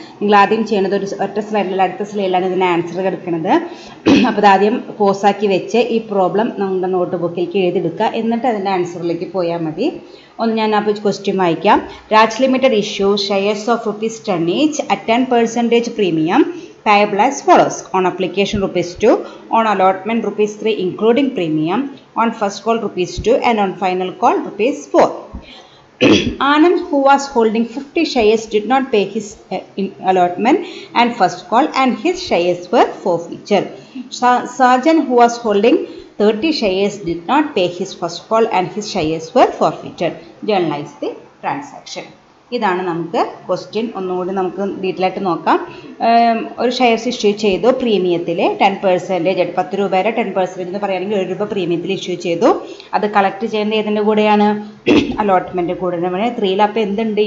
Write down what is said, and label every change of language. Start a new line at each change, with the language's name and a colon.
Malayalam: നിങ്ങൾ ആദ്യം ചെയ്യുന്നത് ഒരു ഒറ്റ സ്ലൈഡിൽ അടുത്ത സ്ലൈഡിലാണ് ഇതിന് ആൻസർ കിടക്കുന്നത്. അപ്പോൾ ഇതാദ്യം പോസാക്കി വെച്ച് ഈ പ്രോബ്ലം നമ്മുടെ നോട്ട് ബുക്കിലേക്ക് എഴുതിയെടുക്കുക, എന്നിട്ട് അതിൻ്റെ ആൻസറിലേക്ക് പോയാൽ മതി. ഒന്ന് ഞാൻ അപ്പോൾ ക്വസ്റ്റ്യൻ വായിക്കാം.
English: Raj limited issue shares of rupees tonnage at 10% premium payable as follows. On application rupees 2, on allotment rupees 3 including premium, on first call rupees 2 and on final call rupees 4. Anand, who was holding 50 shares, did not pay his allotment and first call and his shares were forfeited. Sajan, who was holding 30 shares did not pay his first call and his shares were forfeited. Generalize the transaction.
Malayalam: ഇതാണ് നമുക്ക് question. ഒന്നുകൂടി നമുക്ക് ഡീറ്റെയിലായിട്ട് നോക്കാം. ഒരു share issue ചെയ്തു പ്രീമിയത്തിൽ 10% 10 രൂപയുടെ 10% എന്ന് പറയുകയാണെങ്കിൽ 7 രൂപ പ്രീമിയത്തിൽ ഇഷ്യൂ ചെയ്തു. അത് കളക്ട് ചെയ്യുന്നത് ഏതിൻ്റെ കൂടെയാണ്? അലോട്ട്മെൻറ്റ് കൂടുതൽ മണി 3 അപ്പോൾ എന്തുണ്ട്?